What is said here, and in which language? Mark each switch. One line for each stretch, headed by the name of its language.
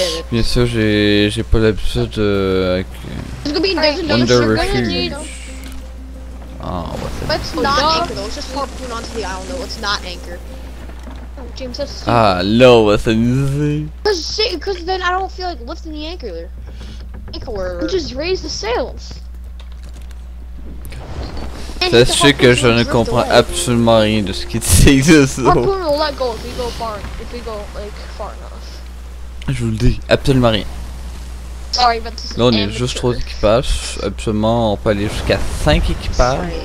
French: Bien sûr, j'ai pas l'habitude de avec Wonder Refuge. Oh,
English: let's not anchor though, let's just harpoon onto the island though, let's not anchor. Oh, James, that's stupid. Ah, no, that's easy. Cause then I don't feel like lifting the anchor there. Anchor. Just raise the sails.
French: C'est sûr que je ne comprends absolument rien de ce qu'il dit.
English: Harpoon will let go if we go far enough.
French: Je vous le dis, absolument rien.
English: Sorry, but this is
French: là, on est juste 3 équipages. Absolument, on peut aller jusqu'à 5 équipages.